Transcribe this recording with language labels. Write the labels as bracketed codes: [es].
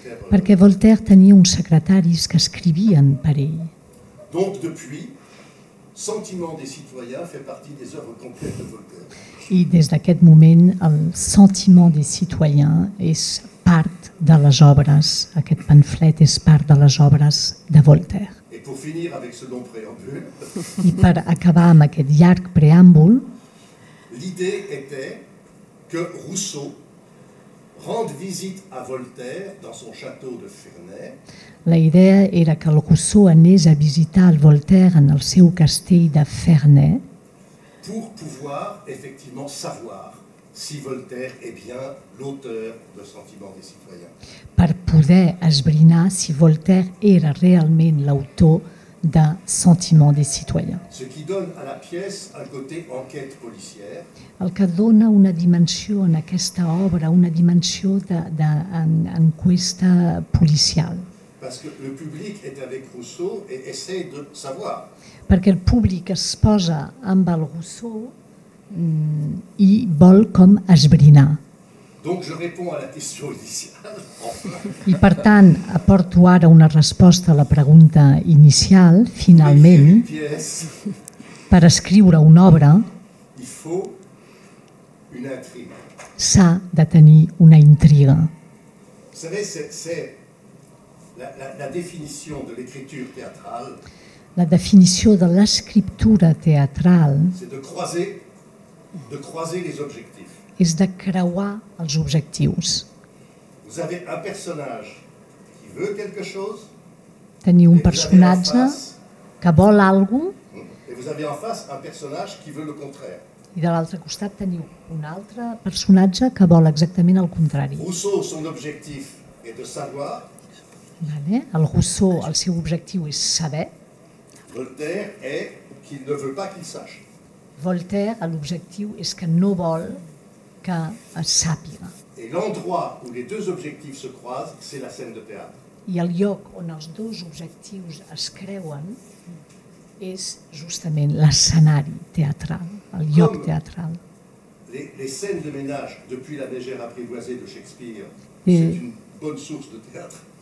[ca] Perquè Voltaire tenia uns secretaris que escrivien per ell. [fr] Donc depuis, Sentiment des citoyens fait partie des œuvres complètes de Voltaire. [ca] I des d'aquest moment, el Sentiment des citoyens és part de les obres, aquest pamphlet és part de les obres de Voltaire. [fr] Et pour finir avec ce long préambule. [ca] I per acabar amb aquest llarg preàmbul, [fr] l'idée était que Rousseau rende visite à Voltaire dans son château de Ferney. [ca] La idea era que el Rousseau anés a visitar el Voltaire en el seu castell de Ferney. [fr] Pour pouvoir effectivement savoir si Voltaire est bien l'auteur de Sentiment des citoyens. [ca] Per poder esbrinar si Voltaire era realment l'autor de Sentiment des citoyens. [fr] Ce qui donne à la pièce un côté enquête policière. [ca] El que dona una dimensió en aquesta obra, una dimensió d'enquesta policial. [fr] Parce que le public est avec Rousseau et essaie de savoir. [ca] Perquè el públic es posa amb el Rousseau i vol com esbrinar. [fr] Donc je réponds à la question initiale. [ca] I per tant, aporto ara una resposta a la pregunta inicial, finalment, per escriure una obra, [fr] il faut [ca] Una intriga. S'ha de tenir una intriga. Sabeu, [fr] c'est la [ca] definició [fr] de l'écriture théâtrale. [ca] La definició de l'escriptura teatral. [fr] C'est de croiser les objectifs. [ca] És de creuar els objectius. [fr] Vous avez un personnage qui veut quelque chose. [ca] Teniu un personatge que vol algo. [fr] Et vous avez en face un personnage qui veut le contraire. [ca] I de l'altre costat teniu un altre personatge que vol exactament el contrari. [fr] Rousseau, son objectif est de savoir. [ca] Vale. El Rousseau, el seu objectiu és saber. [fr] Voltaire est qu'il ne veut pas qu'il sache. [ca] Voltaire, l'objectiu és que no vol que es sàpiga. [fr] Et l'endroit où les deux objectifs se croisent, c'est la scène de théâtre. [ca] I el lloc on els dos objectius es creuen és justament l'escenari teatral, el lloc teatral. [fr] Les scènes de ménage depuis la mégère apprivoisée de Shakespeare, c'est une bonne source de théâtre.